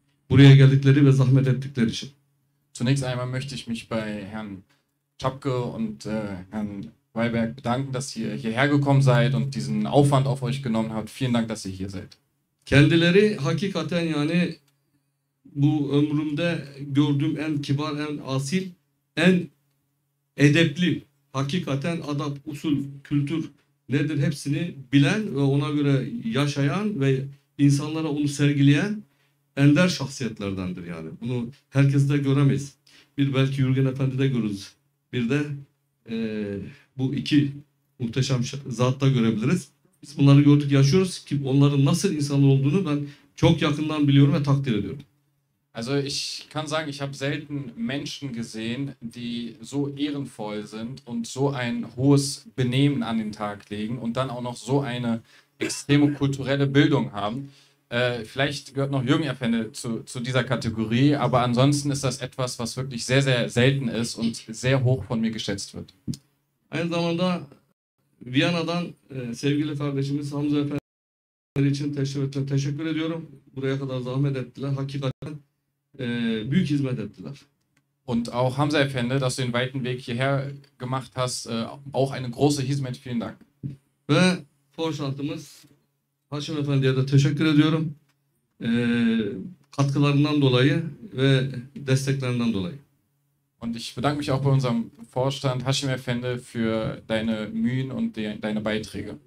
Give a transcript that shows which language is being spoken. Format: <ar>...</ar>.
<tr>Buraya geldikleri ve zahmet ettikleri için.</tr> <de>Zunächst einmal möchte ich mich bei Herrn Czapke und Herrn Weiberg bedanken, dass ihr hierher gekommen seid und diesen Aufwand auf euch genommen habt. Vielen Dank, dass ihr hier seid.</de> <tr>Kendileri hakikaten yani bu ömrümde gördüğüm en kibar, en asil, en edepli, hakikaten adab, usul, kültür nedir hepsini bilen ve ona göre yaşayan ve insanlara onu sergileyen ender şahsiyetlerdendir yani. Bunu herkes de göremeyiz. Bir belki Jürgen Efendi de görürüz. Bir de bu iki muhteşem zatta görebiliriz. Biz bunları gördük, yaşıyoruz ki onların nasıl insanlar olduğunu ben çok yakından biliyorum ve takdir ediyorum.</tr> <de>Also ich kann sagen, ich habe selten Menschen gesehen, die so ehrenvoll sind und so ein hohes Benehmen an den Tag legen und dann auch noch so eine extreme kulturelle Bildung haben. Vielleicht gehört noch Jürgen Efendi zu dieser Kategorie, aber ansonsten ist das etwas, was wirklich sehr, sehr selten ist und sehr hoch von mir geschätzt wird.</de> <tr>Aynı zamanda Viyana'dan sevgili kardeşimiz Hamza Efendi için teşekkür ediyorum. Buraya kadar zahmet ettiler. Hakikaten büyük hizmet ettiler.</tr> <de>Und auch Hamza Efendi, dass du den weiten Weg hierher gemacht hast, auch eine große Hizmet. Vielen Dank.</de> <tr>Ve Forşantımız Haşim Efendi'ye de teşekkür ediyorum. Katkılarından dolayı ve desteklerinden dolayı.</tr> <de>Und ich bedanke mich auch bei unserem Vorstand Haşim Efendi für deine Mühen und deine Beiträge.</de>